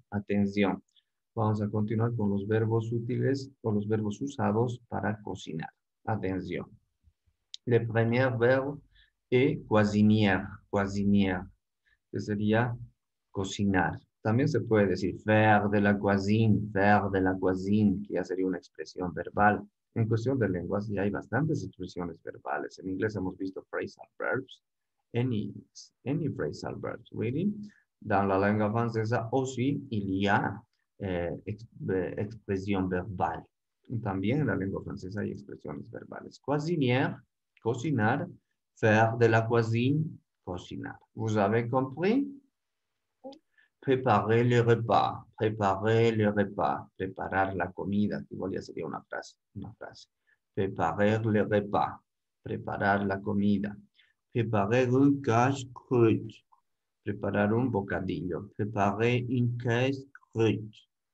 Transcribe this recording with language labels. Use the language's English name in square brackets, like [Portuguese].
[Spanish] Atención. Vamos a continuar con los verbos útiles o los verbos usados para cocinar. Atención. [French] Le premier verbe est cuisinier. [Spanish] Cuisinier. Que sería cocinar. También se puede decir [French] faire de la cuisine. Faire de la cuisine. [Spanish] Que ya sería una expresión verbal. En cuestión de lenguas ya hay bastantes expresiones verbales. En inglés hemos visto phrasal verbs. [English] Any phrasal verbs. Really? [French] Dans la langue francesa aussi il y a. [Spanish] Expresión verbal. También en la lengua francesa hay expresiones verbales. [French] Cuisinier, cocinar. Faire de la cuisine, cocinar. ¿Vous avez compris? Préparer le repas. Préparer le repas. [Spanish] Preparar la comida. Igual ya sería una frase. [French] Préparer le repas. [Spanish] Preparar la comida. [French] Préparer un casse-croûte. [Spanish] Preparar un bocadillo. [French] Préparer un casse-croûte.